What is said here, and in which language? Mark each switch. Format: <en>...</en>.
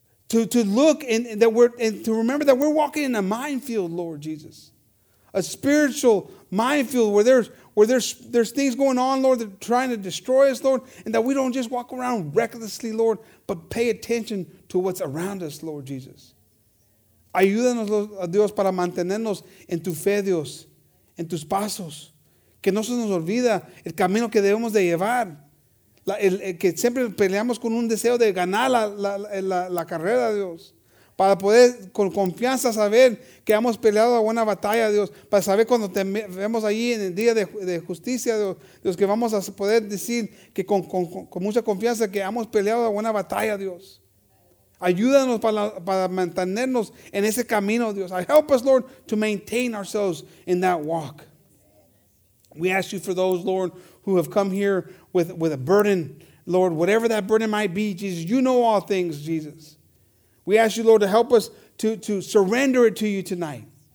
<en>To look and that we're and to remember that we're walking in a minefield, Lord Jesus. A spiritual minefield where there's things going on, Lord, that are trying to destroy us, Lord, and that we don't just walk around recklessly, Lord, but pay attention to what's around us, Lord Jesus.</en> <es>Ayúdanos, Dios, para mantenernos en tu fe, Dios, en tus pasos. Que no se nos olvida el camino que debemos de llevar. Que siempre peleamos con un deseo de ganar la carrera, Dios. Para poder con confianza saber que hemos peleado buena batalla, Dios. Para saber cuando te vemos ahí en el día de justicia, Dios, que vamos a poder decir que con mucha confianza que hemos peleado buena batalla, Dios. Ayúdanos para mantenernos en ese camino, Dios.</es> <en>Help us, Lord, to maintain ourselves in that walk. We ask you for those, Lord, who have come here with a burden. Lord, whatever that burden might be, Jesus, you know all things, Jesus. We ask you, Lord, to help us to surrender it to you tonight.</en>